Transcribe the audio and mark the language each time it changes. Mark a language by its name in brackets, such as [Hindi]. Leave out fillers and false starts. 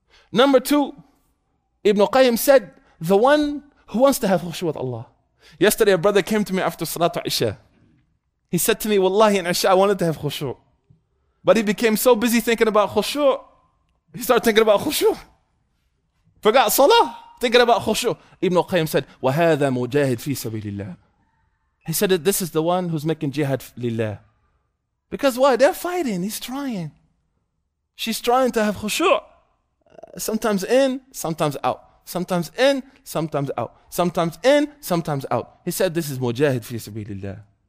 [English] Number two, Ibn Qayyim said, the one who wants to have khushu' with Allah. Yesterday a brother came to me after Salatu Isha. He said to me, Wallahi in Isha I wanted to have khushu'. But he became so busy thinking about khushu'. He started thinking about khushu'. Forgot salah, thinking about khushu. Ibn Qayyim said, [Arabic] وَهَذَا مُجَاهِدْ فِي سَبِيلِ اللَّهِ. [English] He said that this is the one who's making jihad lillah. Because why? They're fighting, he's trying. She's trying to have khushu. Sometimes in, sometimes out. Sometimes in, sometimes out. Sometimes in, sometimes out. He said this is mujahid fi sabilillah.